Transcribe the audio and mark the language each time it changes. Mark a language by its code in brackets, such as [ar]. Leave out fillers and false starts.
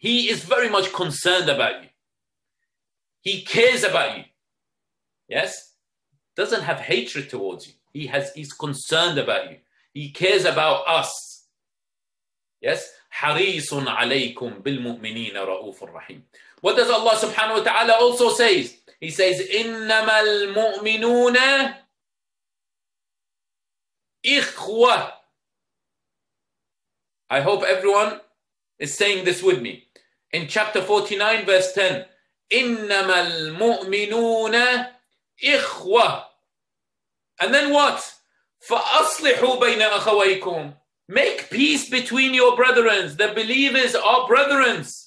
[en] He is very much concerned about you. He cares about you. Yes? Doesn't have hatred towards you. He's concerned about you. He cares about us. Yes? [ar] حَرِيصٌ عَلَيْكُمْ بِالْمُؤْمِنِينَ رَؤُوفٌ رَحِيمٌ. [en] What does Allah subhanahu wa ta'ala also say? He says, [ar] إِنَّمَا الْمُؤْمِنُونَ إِخْوَةٌ. [en] I hope everyone is saying this with me. In chapter 49, verse 10, [ar] إِنَّمَا الْمُؤْمِنُونَ إِخْوَةٌ. [en] And then what? [ar] فَأَصْلِحُوا بَيْنَ أَخَوَيْكُمْ. [en] Make peace between your brethren. The believers are brethren.